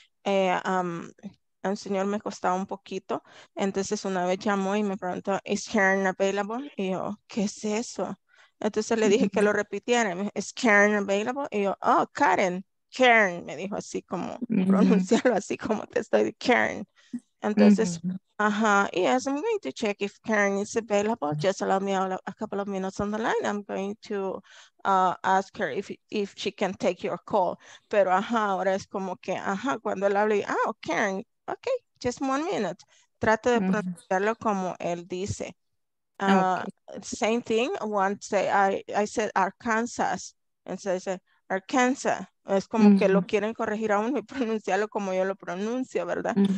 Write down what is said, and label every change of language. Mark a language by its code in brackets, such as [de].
[es] Un señor me costaba un poquito. Entonces una vez llamó y me preguntó, [en] ¿Is Karen available? [es] Y yo, ¿qué es eso? Entonces le dije que lo repitiera. [en] ¿Is Karen available? Y yo, oh, Karen. [es] Karen, me dijo así como, pronunciarlo así como te estoy, Karen. Entonces, ajá, [en] yes, I'm going to check if Karen is available. Just allow me a couple of minutes on the line. I'm going to ask her if she can take your call. [es] Pero ajá, ahora es como que, ajá, cuando él habla, ah, oh, Karen, [en] okay, just 1 minute. [es] Trato de pronunciarlo como él dice. Okay. [en] Same thing, once I said Arkansas, and so I said, Arkansas. [es] Es como que lo quieren corregir a uno y pronunciarlo como yo lo pronuncio, ¿verdad?